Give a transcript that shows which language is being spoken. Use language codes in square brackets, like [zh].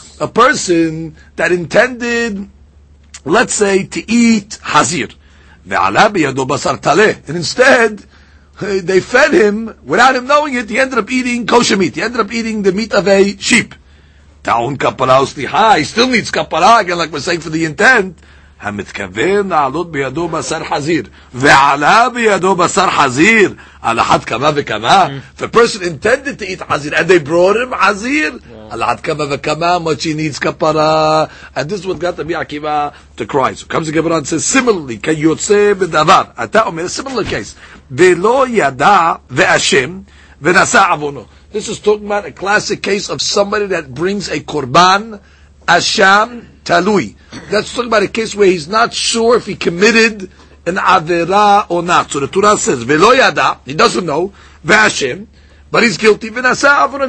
[en] A person that intended, let's say, to eat hazir, [he] ve'ala biyado basar taleh, [en] and instead they fed him without him knowing it. He ended up eating kosher meat. He ended up eating the meat of a sheep. [he] Ta'un kapara usliha. [en] He still needs kapara again, like we're saying for the intent. [he] המתכוון לעלות בידו בשר חזיר, ועלה בידו בשר חזיר, על אחת כמה וכמה. [en] The person intended to eat חזיר, and they brought him חזיר, [he] על אחת כמה וכמה, [en] much he needs kapara. And this is what got Rabbi Akiva to cry. So comes the Gemara and says, similarly, [he] כיוצא בדבר, אתה אומר, [en] a similar case, [he] ולא ידע ואשם, ונשא עוונו. [en] This is talking about a classic case of somebody that brings a korban, אשם, Talui. That's talking about a case where he's not sure if he committed an avera or not. So the Torah says, [he] "Velo yada." [en] He doesn't know. Vashem, but he's guilty. [he] Vinasa avonon.